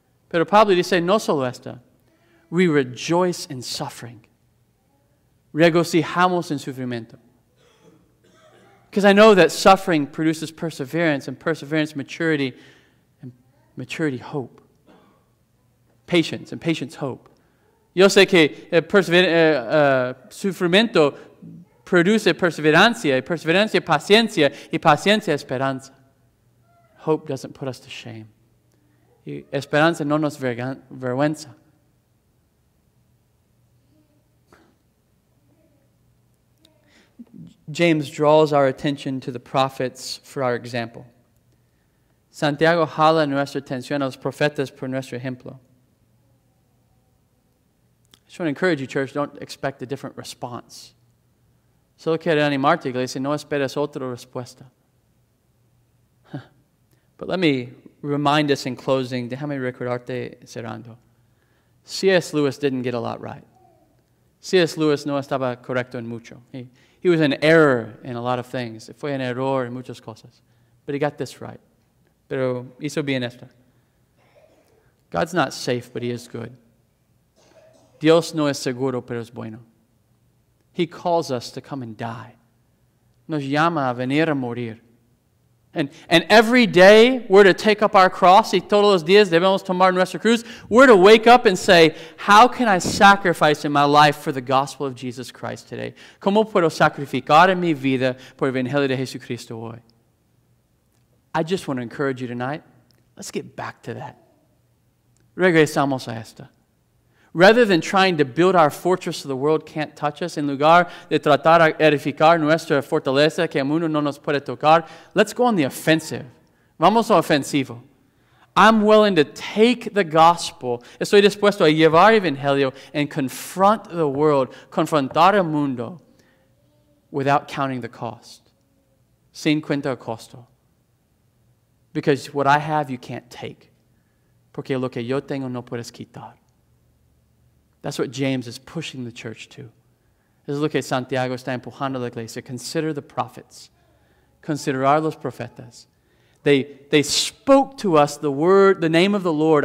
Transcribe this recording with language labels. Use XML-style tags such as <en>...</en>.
<es>Pero Pablo dice, no solo esto.</es> <en>We rejoice in suffering.</en> <es>Regocijamos en sufrimiento.</es> <en>Because I know that suffering produces perseverance, and perseverance maturity, and maturity hope. Patience, and patience hope.</en> <es>Yo sé que sufrimiento produce perseverancia, y perseverancia paciencia, y paciencia esperanza.</es> <en>Hope doesn't put us to shame.</en> <es>Y esperanza no nos vergüenza.</es> <en>James draws our attention to the prophets for our example.</en> <es>Santiago jala nuestra atención a los profetas por nuestro ejemplo.</es> <en>I just want to encourage you, church, don't expect a different response.</en> <es>Solo quiero animarte, iglesia, no esperes otra respuesta.</es> <en>But let me remind us in closing,</en> <es>déjame recordarte cerrando.</es> <en>C.S. Lewis didn't get a lot right.</en> <es>C.S. Lewis no estaba correcto en mucho.</es> <en>He was an error in a lot of things.</en> <es>Fue un error en muchas cosas.</es> <en>But he got this right.</en> <es>Pero hizo bien esto.</es> <en>God's not safe, but he is good.</en> <es>Dios no es seguro, pero es bueno.</es> <en>He calls us to come and die. Nos llama a venir a morir. And every day we're to take up our cross,</en> <es>y todos los días debemos tomar nuestra cruz,</es> <en>we're to wake up and say, how can I sacrifice in my life for the gospel of Jesus Christ today?</en> <es>¿Cómo puedo sacrificar en mi vida por el Evangelio de Jesucristo hoy?</es> <en>I just want to encourage you tonight, let's get back to that.</en> <es>Regresamos a esta.</es> <en>Rather than trying to build our fortress so the world can't touch us,</en> <es>en lugar de tratar de edificar nuestra fortaleza que el mundo no nos puede tocar,</es> <en>let's go on the offensive.</en> <es>Vamos a ofensivo.</es> <en>I'm willing to take the gospel.</en> <es>Estoy dispuesto a llevar el evangelio</es> <en>and confront the world,</en> <es>confrontar el mundo</es> <en>without counting the cost.</en> <es>Sin cuenta costo.</es> <en>Because what I have, you can't take.</en> <es>Porque lo que yo tengo no puedes quitar.</es> <en>That's what James is pushing the church to. Let's look at</en> <es>Santiago está empujando la iglesia.</es> <en>Consider the prophets.</en> <es>Considerar los profetas.</es> <en>They spoke to us the word, the name of the Lord.</en>